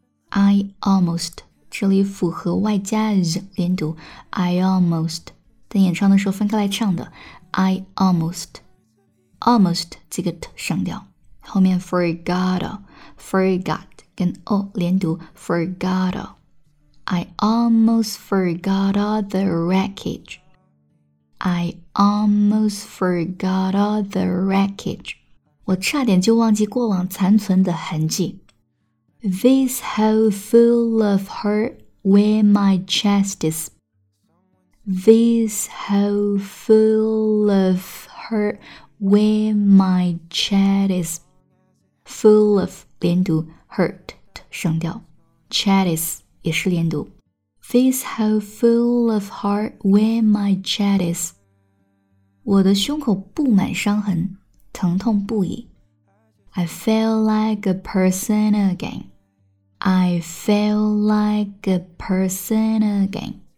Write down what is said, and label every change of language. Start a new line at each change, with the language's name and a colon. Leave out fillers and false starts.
Chinese: I almost 这里符合外加 z 连读 I almost 在演唱的时候分开来唱的 I almostAlmost 这个 t 省掉，后面 forgot forgot 跟 o 连读 forgot.
English: I almost forgot all the wreckage. I almost forgot all the wreckage.
Chinese: 我差点就忘记过往残存的痕迹。
English: This hole full of hurt where my chest is. This hole full of hurt. Where my chest is full of 连读 hurt 省掉 chest is 也是连读 This hole full of heart where my chest is
Chinese: 我的胸口布满伤痕疼痛不已
English: I feel like a person again I feel like a person again